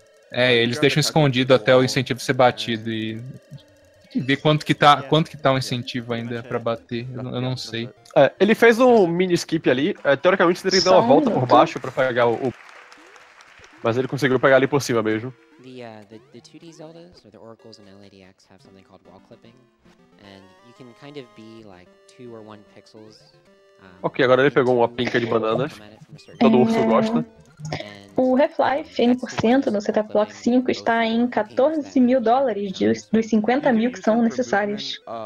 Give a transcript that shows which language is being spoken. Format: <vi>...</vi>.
<pt>É, eles deixam escondido até o incentivo ser batido e ver quanto que tá o incentivo ainda pra bater, eu não sei. É, ele fez um mini skip ali, teoricamente ele teria que dar uma volta por baixo pra pegar o... Mas ele conseguiu pegar ali por cima mesmo.</pt> <en>The 2D Zeldas, or the Oracles and LADX, have something called wall clipping, and you can kind of be like 2 or 1 pixels.</en> <pt>Ok, agora ele pegou uma pinca de bananas. Todo urso gosta. O Half-Life N% no Setup Block 5 está em $14 mil dos 50 mil que são necessários.</pt>